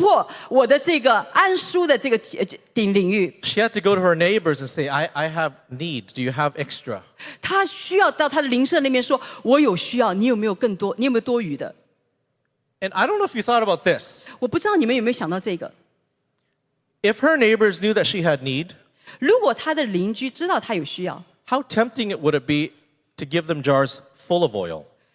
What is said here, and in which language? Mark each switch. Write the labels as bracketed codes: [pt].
[zh] 所以就是这个寡妇她可能想她可能平时她不会这样做的，但是她听到神的话的时候，她说我要来突破我的这个安舒的这个领域。 [en] She had to go to her neighbors and say, I have need, do you have extra? [zh] 她需要到她的邻舍那边说，我有需要，你有没有更多，你有没有多余的？ [en] And I don't know if you thought about this. [zh] 我不知道你们有没有想到这个。 [en] If her neighbors knew that she had need, [zh] 如果她的邻居知道她有需要, [en] how tempting it would it be to give them jars full of oil?